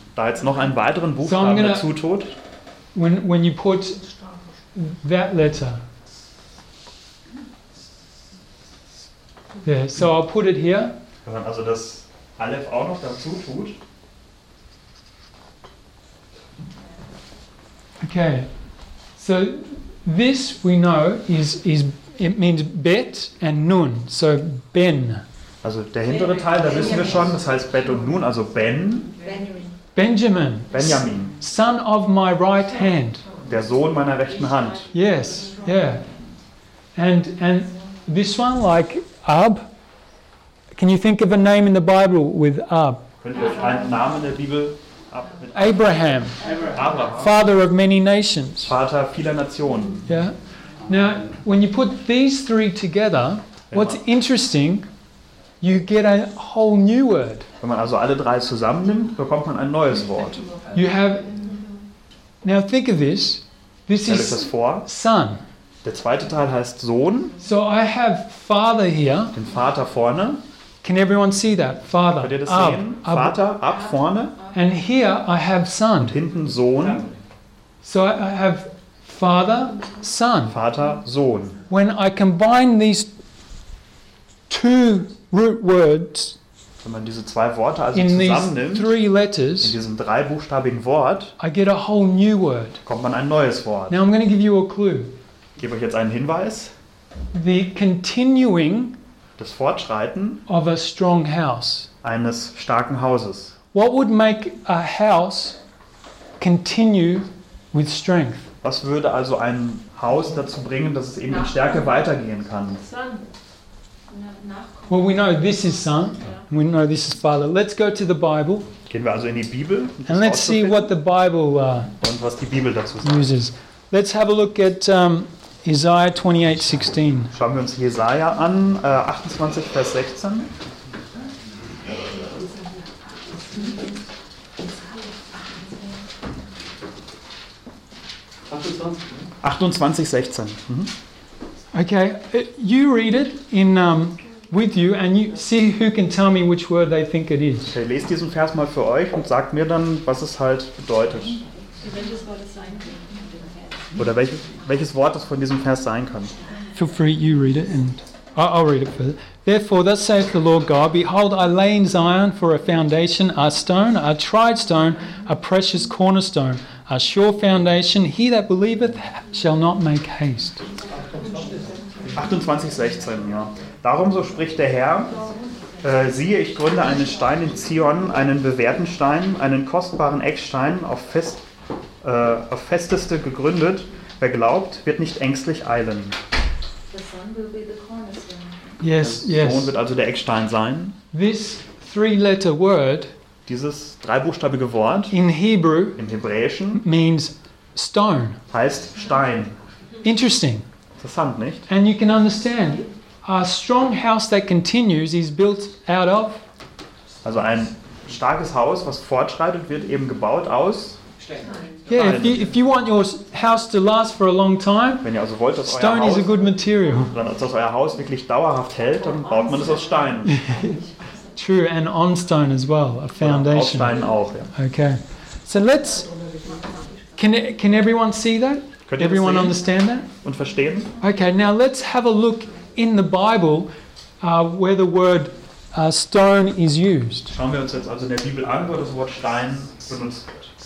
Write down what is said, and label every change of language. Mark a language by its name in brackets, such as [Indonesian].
[German] Da jetzt noch einen weiteren Buchstaben dazu tut. [English] When you put that letter. Yeah, so I'll put it here. [German] Wenn man also das Aleph auch noch dazu tut. [English] Okay, so this we know is it means Bet and Nun, so Ben. [German] Also der hintere Teil, da wissen wir schon, das heißt Bet und Nun, also Ben. Benjamin. [English] Benjamin. Son of my right hand. [German] Der Sohn meiner rechten Hand. [English] Yes, yeah. And this one, like Ab. Can you think of a name in the Bible with Ab? [German] Könnt ihr einen Namen in der Bibel? [English] Abraham, father of many nations. [German] Vater vieler Nationen. [English] Yeah. Now, when you put these three together, what's interesting, you get a whole new word. [German] Wenn man also alle drei zusammennimmt, bekommt man ein neues Wort. [English] You have. Now think of this. This is [German] das vor. [English] Son. [German] Der zweite Teil heißt Sohn. [English] So I have father here. [German] Den Vater vorne. [English] Can everyone see that? Father. [German] Könnt ihr das sehen? Vater, ab vorne. [English] And here I have son. [German] Und hinten Sohn. [English] So I have Father, Son. [German] Vater, Sohn. [English] When I combine these two root words, [German] wenn man diese zwei Worte also zusammennimmt, [English] three letters, [German] in diesem dreibuchstabigen Wort, [English] I get a whole new word. [German] Kommt man ein neues Wort. [English] Now I'm going to give you a clue. [German] Gebe euch jetzt einen Hinweis. [English] The continuing, [German] das Fortschreiten, [English] of a strong house, [German] eines starken Hauses. [English] What would make a house continue with strength? [German] Was würde also ein Haus dazu bringen, dass es eben in Stärke weitergehen kann? [English] Well, we know this is Son. Yeah. We know this is Father. Let's go to the Bible. [German] Gehen wir also in die Bibel. [English] And let's see what the Bible [German] und was die Bibel dazu sagt. [English] Uses. Let's have a look at Isaiah 28:16. [German] Schauen wir uns Jesaja an, 28 Vers 16. [English] Okay, you read it in with you and you see who can tell me which word they think it is. [German] Okay, lest diesen Vers mal für euch und sagt mir dann, was es halt bedeutet. Oder welches Wort das von diesem Vers sein kann. [English] Feel free, you read it and I'll read it for you. Therefore, thus saith the Lord God, behold, I lay in Zion for a foundation, a stone, a tried stone, a precious cornerstone, a sure foundation. He that believeth shall not make haste. [German] 28:16, ja. Darum so spricht der Herr, siehe, ich gründe einen Stein in Zion, einen bewährten Stein, einen kostbaren Eckstein, auf festeste gegründet. Wer glaubt, wird nicht ängstlich eilen. [English] Yes. [German] Sohn wird also der Eckstein sein. [English] This three-letter word, [German] dieses dreibuchstabige Wort, [English] in Hebrew, [German] im Hebräischen, [English] means stone. [German] Heißt Stein. [English] Interesting. [German] Interessant, nicht? [English] And you can understand, a strong house that continues is built out of. [German] Also ein starkes Haus, was fortschreitet, wird eben gebaut aus. [English] Yeah, if you want your house to last for a long time, [German] wenn ihr also wollt, dass [English] stone [German] euer Haus, [English] is a good material. [German] Dann, dass euer Haus wirklich dauerhaft hält, dann baut man es aus Stein. [English] True, and on stone as well, a foundation. [German] Auf Stein auch, ja. [English] Okay, so let's. Can everyone see that? [German] Könnt [English] everyone [German] ihr das sehen [English] understand that? [German] Und verstehen? [English] Okay, now let's have a look in the Bible where the word stone is used. [German] Schauen wir uns jetzt also in der Bibel an, wo das Wort Stein benutzt wird.